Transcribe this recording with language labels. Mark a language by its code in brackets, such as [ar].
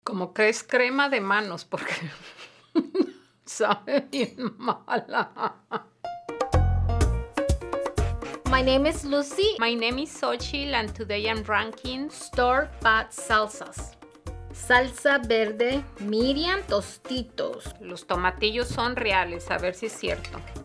[es] Como que es crema de manos, porque sabe bien mala. [en] My name is Lucy. My name is Xochitl, and today I'm ranking store bought salsas. [es] Salsa verde, Miriam tostitos. Los tomatillos son reales, a ver si es cierto.